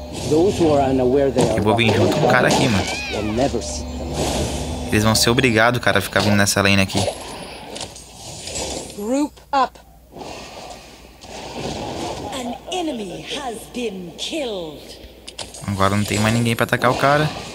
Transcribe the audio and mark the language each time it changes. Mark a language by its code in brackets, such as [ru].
[pt] Eu vou vir junto com o cara aqui, mano. Eles vão ser obrigados, cara, a ficar vindo nessa lane aqui. [en] Group up. An enemy has been killed. [pt] Agora não tem mais ninguém pra atacar o cara.